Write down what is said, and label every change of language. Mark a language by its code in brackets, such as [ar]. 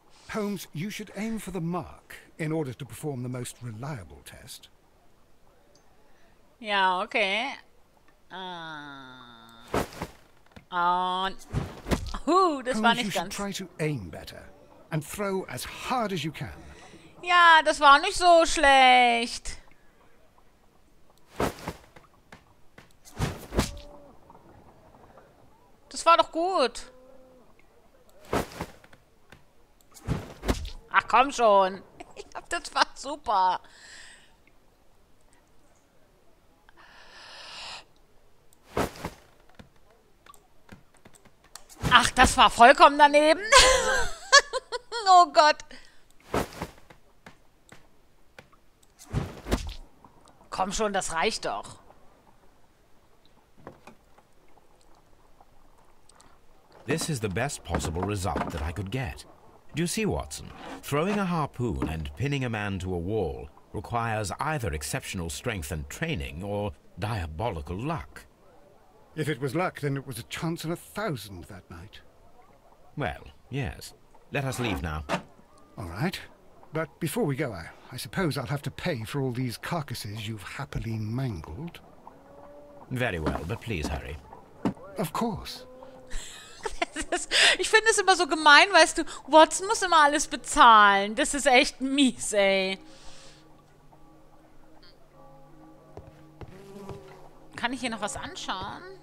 [en] Holmes, you should aim for the mark in order to perform the most reliable test. [de] Ja, okay. Und das war nicht ganz. [en] Try to aim better and throw as hard as you can. [de] Ja, das war nicht so schlecht. Das war doch gut. Ach, komm schon. Das war super. Ach, das war vollkommen daneben. Oh Gott. Komm schon, das reicht doch. [en] This is the best possible result that I could get. Do you see, Watson? Throwing a harpoon and pinning a man to a wall requires either exceptional strength and training or diabolical luck. If it was luck, then it was a chance in a thousand that night. Well, yes. Let us leave now. All right. But before we go, I suppose I'll have to pay for all these carcasses you've happily mangled. Very well, but please hurry. Of course. [de] Ich finde es immer so gemein, weißt du, Watson muss immer alles bezahlen. Das ist echt mies, ey. Kann ich hier noch was anschauen?